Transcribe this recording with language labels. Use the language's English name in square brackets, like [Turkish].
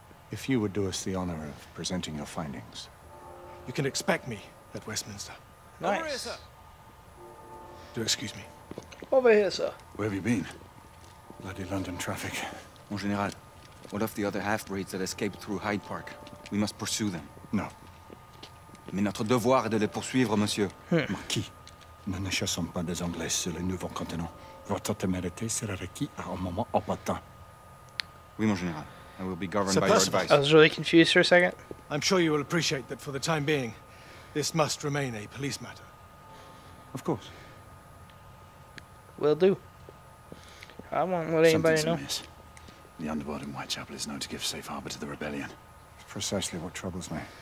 [English] If you would do us the honor of presenting your findings. You can expect me at Westminster. Nice. Over here, sir. Do excuse me. Over here, sir. Where have you been? Bloody London traffic. [French] Mon général, [English] what of the other half-breeds that escaped through Hyde Park? We must pursue them. No. [French] Mais notre devoir est de les poursuivre, monsieur. Marquis, nous ne chassons pas des Anglais sur le nouveau continent. Votre témérité sera requis à un moment opportun. Oui, mon général. [English] I will be governed by your advice. I was really confused for a second. I'm sure you will appreciate that for the time being, this must remain a police matter. Of course. Will do. I won't let anybody know. Something's amiss. The underworld in Whitechapel is known to give safe harbor to the rebellion. It's precisely what troubles me.